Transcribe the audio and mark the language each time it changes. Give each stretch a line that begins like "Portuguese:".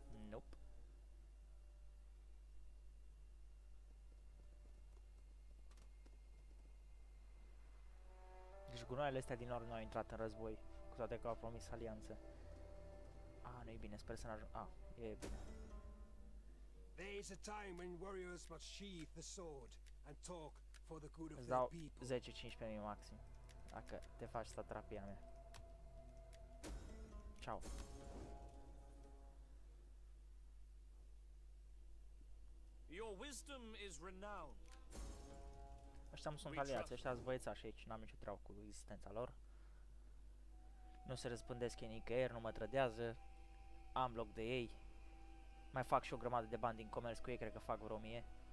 English: Nope.
Romanian: Deci gunoaiele astea din nord nu au intrat în război, cu toate că au promis alianță. Ah, nu e bine, sper să n-ajung. Ah, e bine.
English: There is a time when warriors must sheathe the sword and talk for the good of the people.
Romanian: 10-15.000 maxim. Dacă te faci satrapia mea. Ciao.
English: Your wisdom is renowned.
Romanian: Ăștia nu sunt aliați, ăștia sunt băiețași aici, n-am nicio treabă cu existența lor. Nu se răspândesc ei nicăieri, nu mă trădează. Am loc de ei. Mai fac și o grămadă de bani din comerț cu ei, cred că fac vreo 1000.